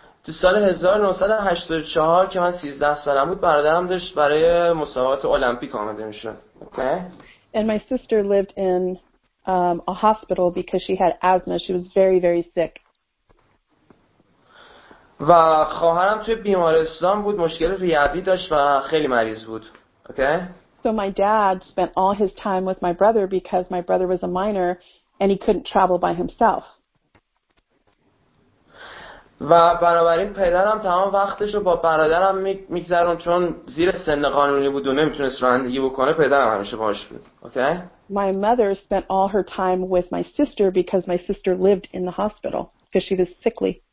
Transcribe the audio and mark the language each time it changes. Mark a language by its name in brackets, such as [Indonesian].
[Persian] تو سال 1984 که من 13 سالم بود، برادرم داشت برای مسابقات المپیک آمده میشد. [English] Okay. And my sister lived in a hospital because she had asthma. She was very, very sick. [Persian] و خواهرم توی بیمارستان بود، مشکل ریوی داشت و خیلی مریض بود. [English] Okay. So my dad spent all his time with my brother because my brother was a minor and he couldn't travel by himself. [Persian] و بنابراین پدرم تمام وقتش رو با برادرم میگذرون چون زیر سن قانونی بود و نمیتونست رانندگی بکنه. پدرم همیشه باهاش بود. Okay. [English] My mother spent all her time with my sister because my sister lived in the hospital because she was sickly.